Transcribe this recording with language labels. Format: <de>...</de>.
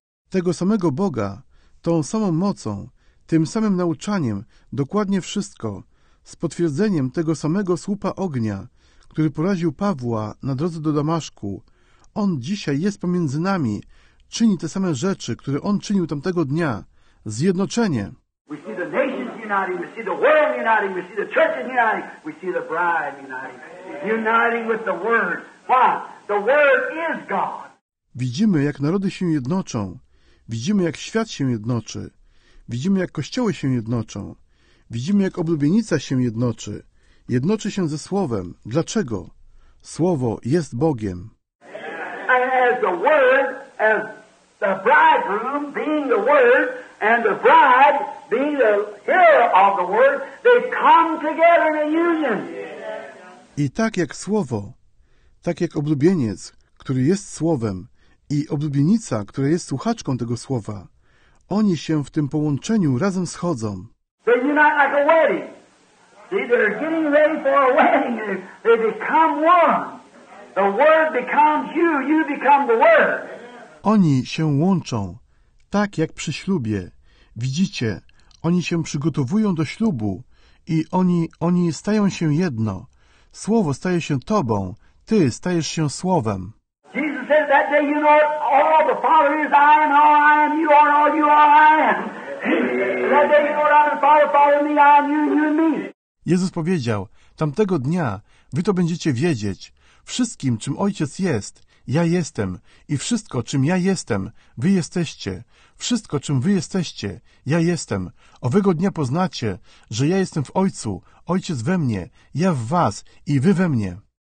<pl>Tego samego Boga, tą samą mocą, tym samym nauczaniem, dokładnie wszystko, z potwierdzeniem tego samego słupa ognia, który poraził Pawła na drodze do Damaszku. On dzisiaj jest pomiędzy nami, czyni te same rzeczy, które on czynił tamtego dnia. Zjednoczenie.</pl> <en>We see the nations uniting, we see the world uniting, we see the churches uniting, we see the bride uniting. Uniting with the Word. Why? The Word is God.</en> <pl>Widzimy, jak narody się jednoczą. Widzimy, jak świat się jednoczy. Widzimy, jak kościoły się jednoczą. Widzimy, jak oblubienica się jednoczy. Jednoczy się ze Słowem. Dlaczego? Słowo jest Bogiem.</pl> <en>And as the Word, as the bridegroom being the Word, and the bride being the hearer of the Word, they come together in a union.</en> <pl>I tak jak Słowo, tak jak oblubieniec, który jest Słowem, i oblubienica, która jest słuchaczką tego słowa, oni się w tym połączeniu razem schodzą.</pl> <en>They unite like a wedding. See, they're getting ready for a wedding. They become one. The Word becomes you, you become the Word.</en> <pl>Oni się łączą, tak jak przy ślubie. Widzicie, oni się przygotowują do ślubu i oni stają się jedno. Słowo staje się Tobą, Ty stajesz się Słowem.</pl> <en>Jesus said that day, you know it, all the Father is, I am, all I am, you are, all you are, I am. That day, you know it, I am the Father, Father me, I am you, you and me.</en> <pl>Jezus powiedział, tamtego dnia wy to będziecie wiedzieć, wszystkim, czym Ojciec jest, ja jestem i wszystko, czym ja jestem, wy jesteście. Wszystko, czym wy jesteście, ja jestem. Owego dnia poznacie, że ja jestem w Ojcu, Ojciec we mnie, ja w was i wy we mnie.</pl>